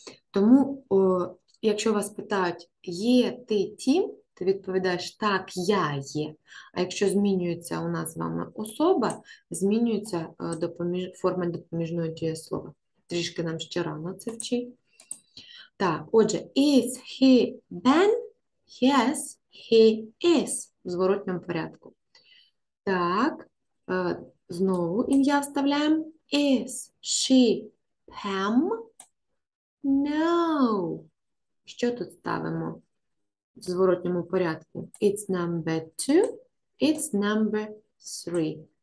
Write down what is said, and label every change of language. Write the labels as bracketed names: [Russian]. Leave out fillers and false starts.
[Ukrainian] Тому, якщо вас питають, є ти Тім, ти відповідаєш, так, я є. А якщо змінюється у нас з вами особа, змінюється форма допоміжного дієслова. Трішки нам ще рано це вчить. Так, отже, [English] is he Ben? Yes, he is. [Ukrainian] В зворотньому порядку. Так, знову ім'я вставляємо. [English] Is she Pam? No. [Ukrainian] Що тут ставимо в зворотньому порядку? [English] It's number two, it's number three.